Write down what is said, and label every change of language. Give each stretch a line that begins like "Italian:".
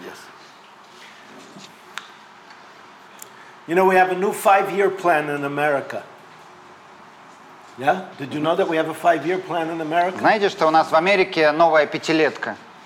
English: Yes. You know, we have a new 5-year plan in America. Yeah? Did you know that we have a 5-year plan in America?
Russian: Знаете, что у нас в Америке новая пятилетка?